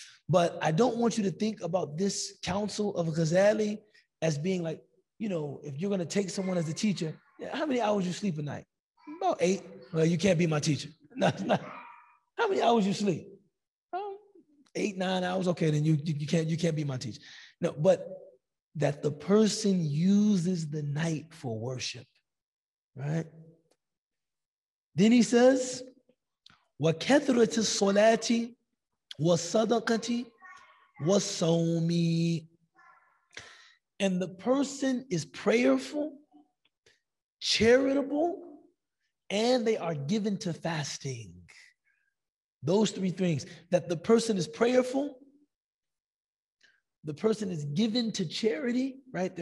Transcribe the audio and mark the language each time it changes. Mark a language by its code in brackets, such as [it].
[en] But I don't want you to think about this council of Ghazali as being like, you know, if you're going to take someone as a teacher, how many hours you sleep a night? About 8. Well, you can't be my teacher. How many hours you sleep? 8, 9 hours. Okay, then you can't be my teacher. No, but that the person uses the night for worship, right? Then he says, [ar] وَكَثْرَةِ الصَّلَاةِ وَالصَّدَقَةِ وَالصَّوْمِ. [en] And the person is prayerful, charitable, and they are given to fasting. Those three things. That the person is prayerful, the person is given to charity, right?